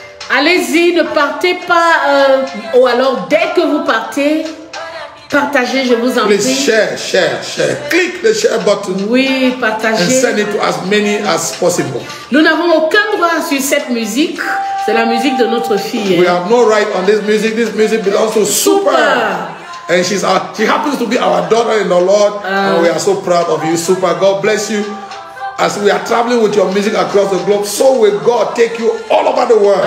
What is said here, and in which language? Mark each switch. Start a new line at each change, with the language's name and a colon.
French: Allez-y, ne partez pas, ou alors dès que vous partez, partagez, je vous en
English: please
French: prie.
English: Please share. Click the share button.
French: Oui, partagez.
English: And send it to as many as possible.
French: Nous n'avons aucun droit sur cette musique. C'est la musique de notre fille.
English: We have no right on this music. This music belongs to Super. And she happens to be our daughter in the Lord. And we are so proud of you, Super. God bless you. As we are traveling with your music across the globe, so will God take you all over the world.